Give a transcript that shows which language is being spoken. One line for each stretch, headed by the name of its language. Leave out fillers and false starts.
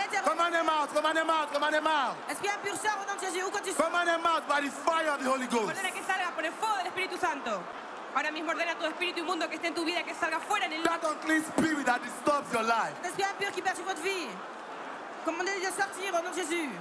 French: Comment les mains, comment les mains, comment les mains. Esprit impur sort au nom de Jésus où que tu sois.
English: Comment les mains, by the fire of the Holy Ghost.
Spanish: Ordena que salga por el fuego del Espíritu Santo. Ahora mismo ordena tu espíritu inmundo que esté en tu vida, que salga fuera en el
English: That unclean spirit that disturbs your life.
French: L'esprit impur qui perturbe votre vie. Commandez-le de sortir au nom de Jésus.